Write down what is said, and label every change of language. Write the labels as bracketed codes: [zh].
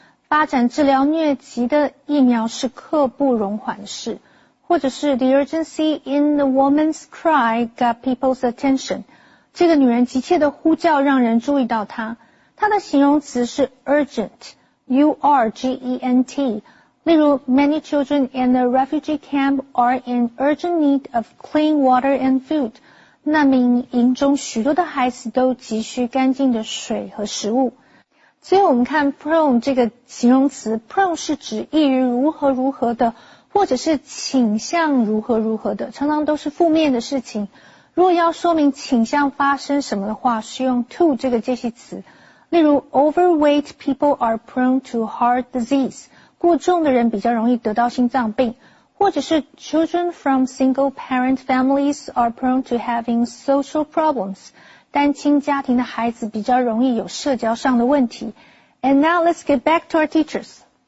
[zh] 发展治疗疟疾的疫苗是刻不容缓释。或者是 [en] the urgency in the woman's cry got people's attention。 [zh] 这个女人急切的呼叫让人注意到她。她的形容词是 urgent，U-R-G-E-N-T。例如 [en] ,many children in the refugee camp are in urgent need of clean water and food. [zh] 难民营中许多的孩子都急需干净的水和食物。最后我们看 prone 这个形容词 ,prone 是指易于如何如何的或者是倾向如何如何的常常都是负面的事情。如果要说明倾向发生什么的话是用 to 这个介系词。例如 [en] ,overweight people are prone to heart disease. [zh] 过重的人比较容易得到心脏病，或者是 [en] children from single parent families are prone to having social problems. [zh] 单亲家庭的孩子比较容易有社交上的问题。 [en] And now let's get back to our teachers.